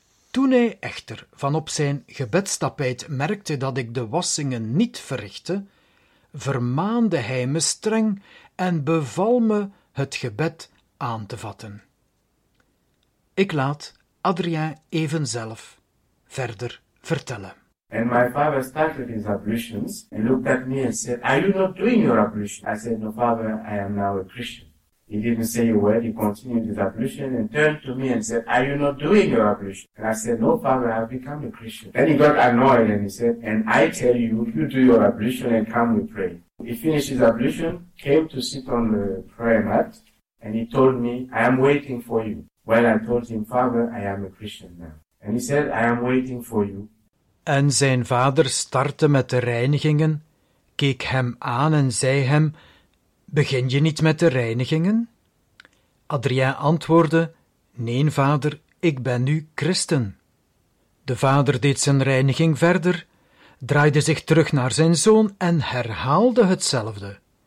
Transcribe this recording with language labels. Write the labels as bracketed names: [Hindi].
[Dutch] Toen hij echter van op zijn gebedstapijt merkte dat ik de wassingen niet verrichtte, vermaande hij me streng en beval me het gebed aan te vatten. Ik laat Adrien even zelf verder vertellen. [English] And my father started his ablutions and looked at me and said, "Are you not doing your ablution?" I said, "No, father, I am now a Christian." He didn't say a word, he continued his ablution and turned to me and said, "Are you not doing your ablution?" And I said, "No, father, I have become a Christian." Then he got annoyed and he said, "And I tell you, you do your ablution and come, we pray." He finished his ablution, came to sit on the prayer mat, and he told me, "I am waiting for you." Well, I told him, "Father, I am a Christian now." And he said, "I am waiting for you." [Dutch] En zijn vader startte met de reinigingen, keek hem aan en zei hem, "Begin je niet met de reinigingen?" Adrien antwoordde, "Nee, vader, ik ben nu christen." De vader deed zijn reiniging verder, draaide zich terug naar zijn zoon en herhaalde hetzelfde.